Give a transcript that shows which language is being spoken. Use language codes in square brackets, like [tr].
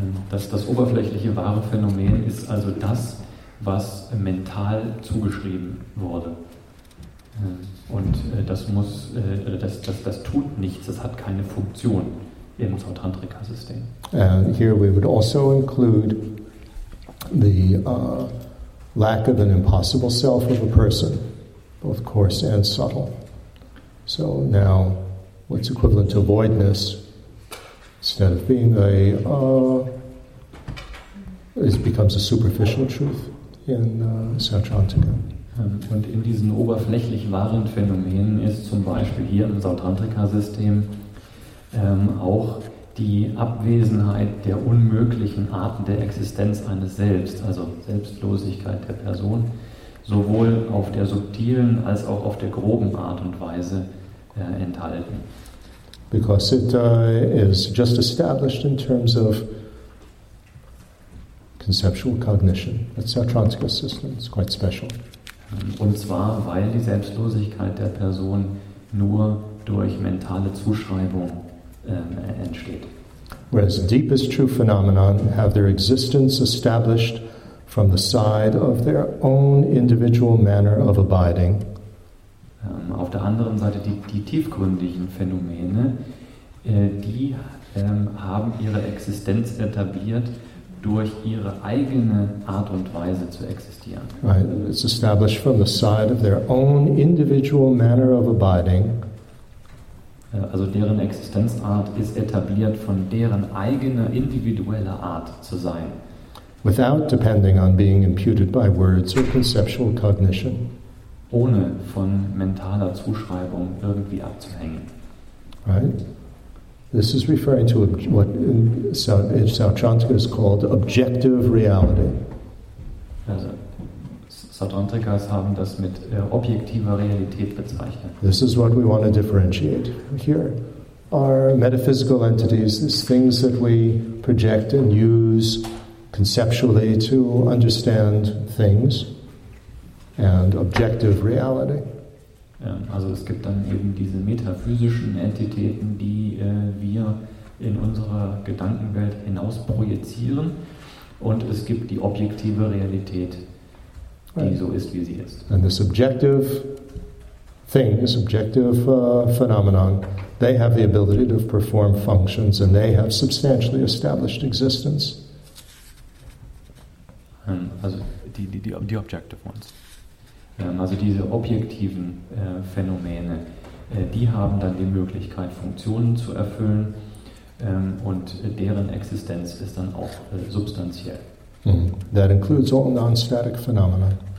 [de] Das oberflächliche wahre Phänomen ist also das, was mental zugeschrieben wurde. Und das muss, das tut nichts, das hat keine Funktion im Tantrika-System. [en] And here we would also include the lack of an impossible self of a person, both coarse and subtle. So now, what's equivalent to voidness, instead of being a, it becomes a superficial truth in Satrantika. [de] Und in diesen oberflächlich wahren Phänomenen ist zum Beispiel hier im Sautantrika-System auch die Abwesenheit der unmöglichen Arten der Existenz eines Selbst, also Selbstlosigkeit der Person, sowohl auf der subtilen als auch auf der groben Art und Weise enthalten. [en] Because it is just established in terms of conceptual cognition. That's the Sautantrika system. It's quite special. [de] Und zwar, weil die Selbstlosigkeit der Person nur durch mentale Zuschreibung entsteht. [en] Whereas deepest true phenomena have their existence established from the side of their own individual manner of abiding. [de] Auf der anderen Seite, die tiefgründigen Phänomene, die haben ihre Existenz etabliert, durch ihre eigene Art und Weise zu existieren. [en] Right. It's established from the side of their own individual manner of abiding. [de] Also deren Existenzart ist etabliert von deren eigener individueller Art zu sein. [en] Without depending on being imputed by words or conceptual cognition. [de] Ohne von mentaler Zuschreibung irgendwie abzuhängen. [en] Right. This is referring to what in Sautrantika is called objective reality. [de] Also, Sautrantikas haben das mit objektiver Realität bezeichnet. [en] This is what we want to differentiate here. Our metaphysical entities, these things that we project and use conceptually to understand things, and objective reality. [de] Also es gibt dann eben diese metaphysischen Entitäten, die wir in unserer Gedankenwelt hinaus projizieren, und es gibt die objektive Realität, die right. So ist, wie sie ist. [en] And this objective thing, this objective phenomenon, they have the ability to perform functions and they have substantially established existence. [de] Also die [en] objective ones. [de] Also diese objektiven Phänomene, die haben dann die Möglichkeit, Funktionen zu erfüllen, und deren Existenz ist dann auch substanziell. [en] That includes all non-static phenomena.